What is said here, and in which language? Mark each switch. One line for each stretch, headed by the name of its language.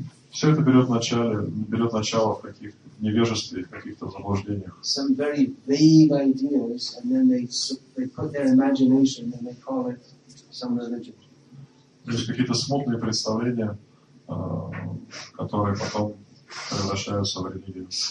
Russian: Все это берет начало в каких-то невежестве и каких-то заблуждениях.
English: Some very vague ideas, and then they put their imagination and they call it some religion.
Russian: То есть какие-то смутные представления, которые потом превращаются в религию.